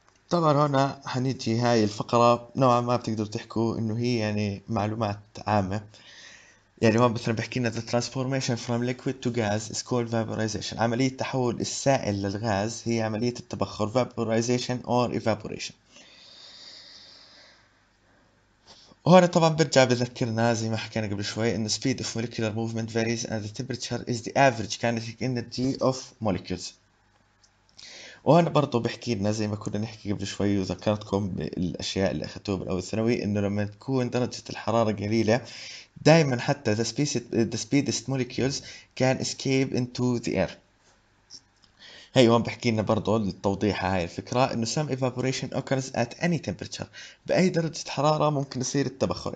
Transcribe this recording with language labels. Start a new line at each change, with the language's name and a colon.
Arabic: طبعا هنا حنيجي هاي الفقرة نوعا ما بتقدر تحكوا انه هي يعني معلومات عامة. يعني هون مثلا بحكي لنا
English: the transformation from liquid to gas is called vaporization،
Arabic: عملية تحول السائل للغاز هي عملية التبخر
English: vaporization or evaporation.
Arabic: وهنا طبعا برجع بذكرنا زي ما حكينا قبل شوي انه
English: speed of molecular movement varies and the temperature is the average kinetic energy of molecules.
Arabic: وهنا برضو بحكي لنا زي ما كنا نحكي قبل شوي وذكرتكم بالاشياء اللي اخذتوها بالاول ثانوي، انه لما تكون درجة الحرارة قليلة دائما حتى
English: the speedest molecules can escape into the air.
Arabic: هي هون بحكي لنا برضو للتوضيح هاي الفكرة انه
English: some evaporation occurs at any temperature،
Arabic: بأي درجة حرارة ممكن يصير التبخر.